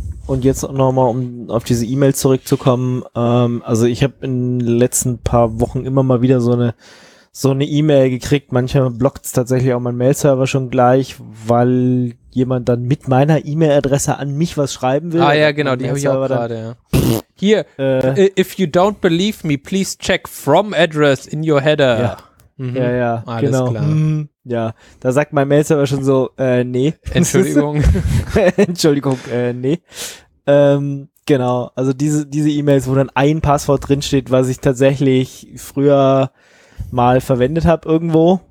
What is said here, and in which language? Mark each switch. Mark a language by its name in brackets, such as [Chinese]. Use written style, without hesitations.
[German] Und jetzt nochmal, um auf diese E-Mail zurückzukommen, also ich habe in den letzten paar Wochen immer mal wieder so eine E-Mail gekriegt. Manchmal blockt es tatsächlich auch mein Mail-Server schon gleich, weil jemand dann mit meiner E-Mail-Adresse an mich was schreiben will. Ah ja, genau, die habe ich auch gerade, ja. Hier, [English] if you don't believe me, please check from address in your header. [German] Ja, mhm. Ja, ja, alles genau. Klar. Mhm. Ja, da sagt mein Mail-Server schon so, nee. Entschuldigung. Entschuldigung, nee. Genau, also diese E-Mails, wo dann ein Passwort drinsteht, was ich tatsächlich früher mal verwendet habe irgendwo.